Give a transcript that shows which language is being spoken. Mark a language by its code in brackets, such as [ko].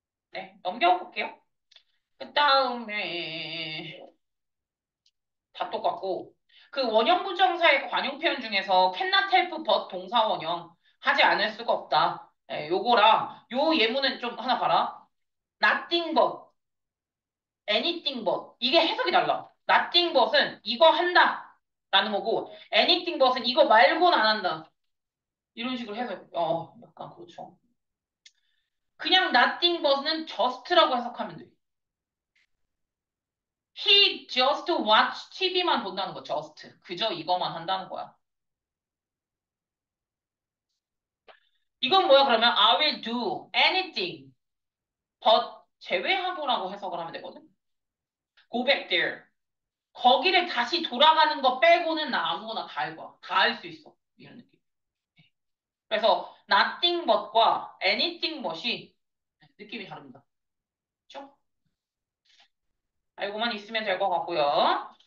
[ko] 네, 넘겨볼게요. 그 다음에 다 똑같고 그 원형 부정사의 관용 표현 중에서 [en] cannot help but [ko] 동사 원형 하지 않을 수가 없다. 예, 요거랑 요 예문은 좀 하나 봐라. [en] Nothing but, anything but [ko] 이게 해석이 달라. Nothing but은 이거 한다라는 거고 anything but은 이거 말고는 안 한다. 이런 식으로 해석. 약간 그렇죠. 그냥 nothing but은 just라고 해석하면 돼. [en] He just watched TV만 [ko] 본다는 거, [en] just. [ko] 그저 이거만 한다는 거야. 이건 뭐야, 그러면? [en] I will do anything but [ko] 제외하고라고 해석을 하면 되거든? [en] Go back there. [ko] 거기를 다시 돌아가는 거 빼고는 나 아무거나 다 해봐. 다할수 있어. 이런 느낌. 그래서 nothing but과 anything but이 느낌이 다릅니다. 알고만 있으면 될것 같고요.